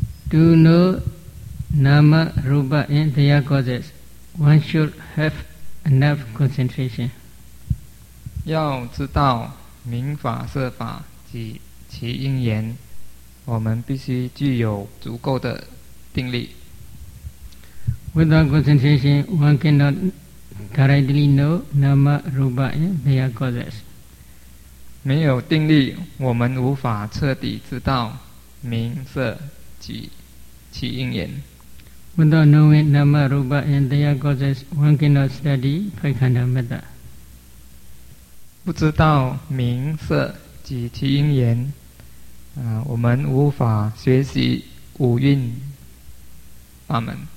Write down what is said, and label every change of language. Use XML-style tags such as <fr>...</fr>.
<en>To know Nama, Rupa and their causes, one should have enough concentration.</en> <zh>要知道名法、色法及其因缘，我们必须具有足够的定力。</zh> <en>Without concentration, one cannot directly know Nama, Rupa and their causes.</en> <zh>没有定力，我们无法彻底知道名色及其因缘。</zh> <en>Without knowing nama, rupa and their causes, one cannot study Paikanda Metta.</en> <zh>不知道名色及其因缘，我们无法学习五蕴法门。</zh>